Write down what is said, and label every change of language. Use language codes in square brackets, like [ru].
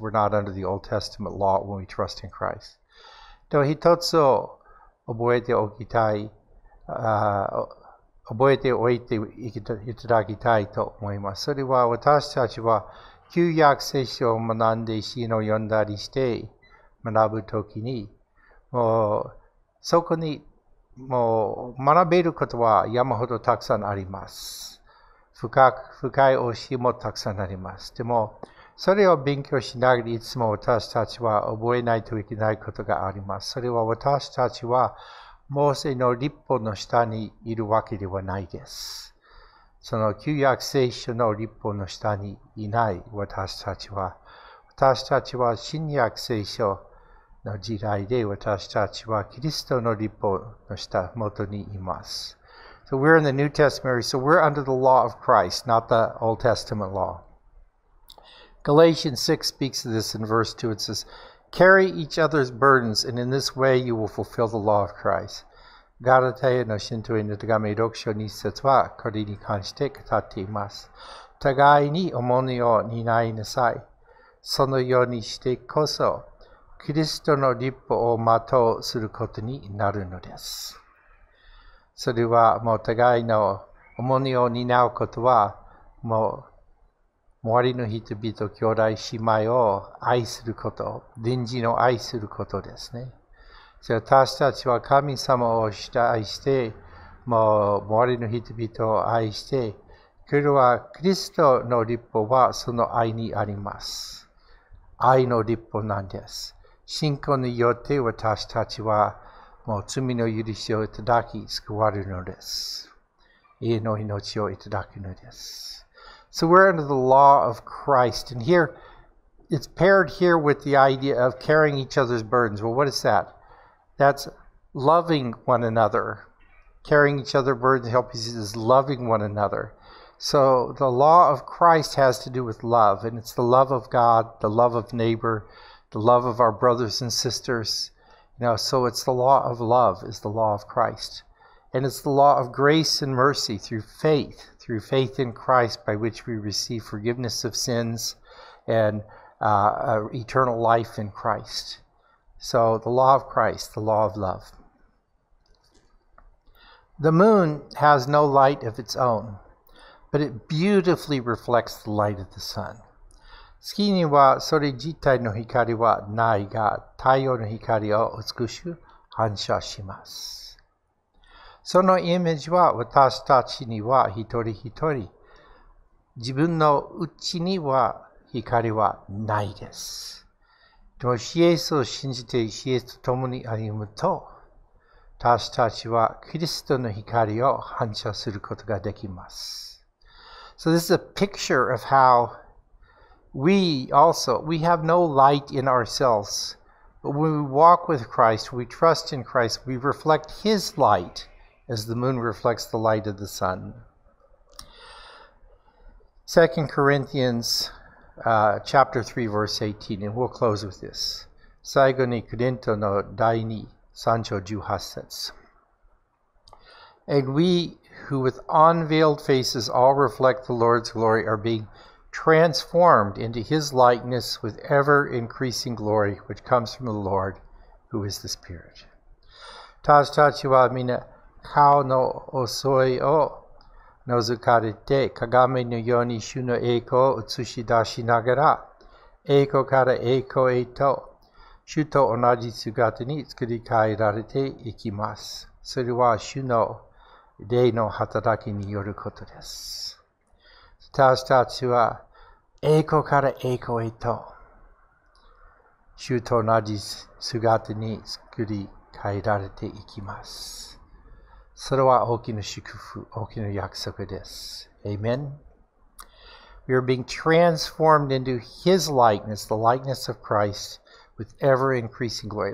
[en] We're not under the Old Testament law when we trust in Christ. [ja] と一つ覚えておきたい、覚えておいていただきたいと思います。それは私たちは旧約聖書を学んで詩を読んだりして学ぶときに、もうそこにもう学べることは山ほどたくさんあります。深い教えもたくさんあります。でもそれを勉強しながらいつも私たちは覚えないといけないことがあります。それは私たちはモーセの律法の下にいるわけではないです。その旧約聖書の律法の下にいない私たちは、私たちは新約聖書の時代で私たちはキリストの律法の下元にいます。 [en] So we're in the New Testament, so we're under the law of Christ, not the Old Testament law. Galatians 6 speaks of this in verse 2. It says, carry each other's burdens, and in this way you will fulfill the law of Christ. [ja] ガラテへの信徒への手紙6章2節はこれに関して語っています。互いに重荷を担いなさい。そのようにしてこそキリストの律法を全うすることになるのです。それはもう互いの重荷を担うことはもう周りの人々、兄弟姉妹を愛すること、隣人を愛することですね。私たちは神様を愛して、もう周りの人々を愛して、これはキリストの律法はその愛にあります。愛の律法なんです。信仰によって私たちはもう罪の許しをいただき救われるのです。永遠の命をいただくのです。 [en] So we're under the law of Christ, and here it's paired here with the idea of carrying each other's burdens. Well, what is that? That's loving one another. Carrying each other burdens, helping each other is loving one another. So the law of Christ has to do with love, and it's the love of God, the love of neighbor, the love of our brothers and sisters. You know, so it's the law of love is the law of Christ. And it's the law of grace and mercy through faith in Christ, by which we receive forgiveness of sins and eternal life in Christ. So, the law of Christ, the law of love. The moon has no light of its own, but it beautifully reflects the light of the sun. [ja] 月にはそれ自体の光はないが、太陽の光を美しく反射します。そのイメージは私たちには一人一人、自分の内には光はないです。でも、イエスを信じて、イエスと共に歩むと、私たちはキリストの光を反射することができます。 [en] So this is a picture of how we also, we have no light in ourselves. But when we walk with Christ, we trust in Christ, we reflect His light as the moon reflects the light of the sun. 2 Corinthians chapter 3, verse 18, and we'll close with this. [ja] 最後にコリントの第2、3章18節。 [en] And we who with unveiled faces all reflect the Lord's glory are being transformed into His likeness with ever-increasing glory, which comes from the Lord, who is the Spirit. [ja] 私たちはみんな顔の覗いを覗かれて、鏡のように主の栄光を映し出しながら、栄光から栄光へと、主と同じ姿に作り変えられていきます。それは主の霊の働きによることです。私たちは栄光から栄光へと、主と同じ姿に作り変えられていきます。それは大きな祝福、大きな約束です。 [en] Amen. We are being transformed into His likeness, the likeness of Christ, with ever-increasing glory.